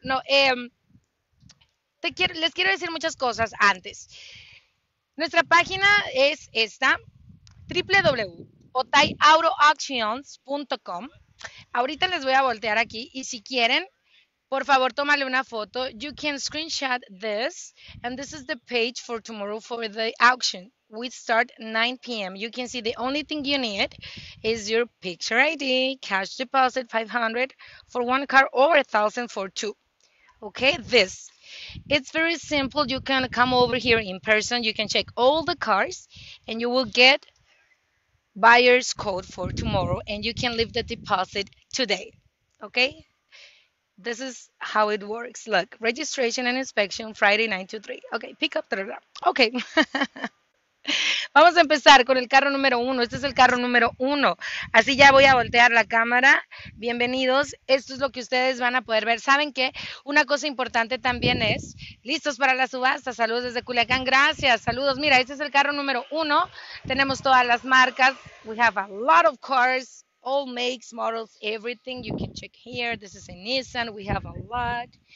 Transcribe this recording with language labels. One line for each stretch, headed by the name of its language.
Spanish: No, les quiero decir muchas cosas antes. Nuestra página es esta, www.otayautoauctions.com. Ahorita les voy a voltear aquí y si quieren, por favor, tómale una foto.
English: You can screenshot this and this is the page for tomorrow for the auction. We start 9 p.m. You can see the only thing you need is your picture ID, cash deposit, 500 for one car or 1,000 for two. Okay, this. It's very simple. You can come over here in person. You can check all the cars and you will get buyer's code for tomorrow and you can leave the deposit today. Okay? This is how it works. Look, registration and inspection Friday 9 to 3. Okay, pick up.
Spanish: Okay. Vamos a empezar con el carro número uno. Este es el carro número uno. Así ya voy a voltear la cámara. Bienvenidos. Esto es lo que ustedes van a poder ver. ¿Saben qué? Una cosa importante también es, listos para la subasta. Saludos desde Culiacán. Gracias. Saludos. Mira, este es el carro número uno. Tenemos todas las marcas.
English: We have a lot of cars, all makes, models, everything. You can check here. This is a Nissan. We have a lot.